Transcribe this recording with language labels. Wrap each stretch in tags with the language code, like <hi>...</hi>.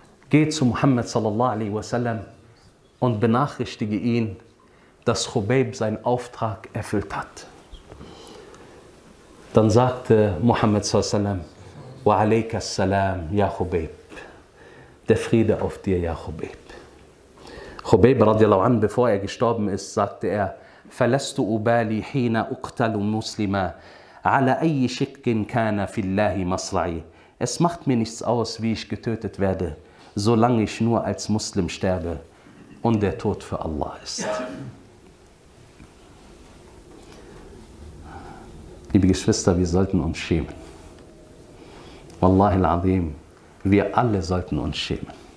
<de>Geh zu Muhammad sallallahu alaihi wasallam und benachrichtige ihn, dass Khubayb seinen Auftrag erfüllt hat. Dann sagte Muhammad sallallahu alaihi wasallam, ja Khubayb, der Friede auf dir, ja Khubayb. Khubayb radiallahu an, bevor er gestorben ist, sagte er,</de> <ar>فَلَسْتُ أُبَالِي حِينَ أُقْتَلُ مُسْلِمَا عَلَى أَيِّ شِقٍ كَانَ فِي اللَّهِ مَصْرَعِي.</ar> <de>Es macht mir nichts aus, wie ich getötet werde, solange ich nur als Muslim sterbe und der Tod für Allah ist. Liebe Geschwister, wir sollten uns schämen. Wallahi al-Azim, wir alle sollten uns schämen.</de>